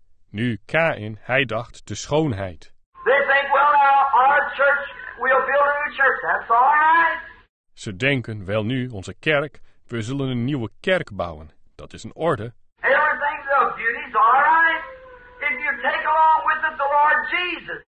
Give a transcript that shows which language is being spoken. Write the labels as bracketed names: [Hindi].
[Dutch] Nu, Cain, hij dacht de schoonheid. [English] They think, well now, our church, we'll build a new church, that's all right. [Dutch] Ze denken, wel nu, onze kerk, we zullen een nieuwe kerk bouwen. Dat is een orde. [English] Everything's of beauty's all right, if you take along with it the Lord Jesus.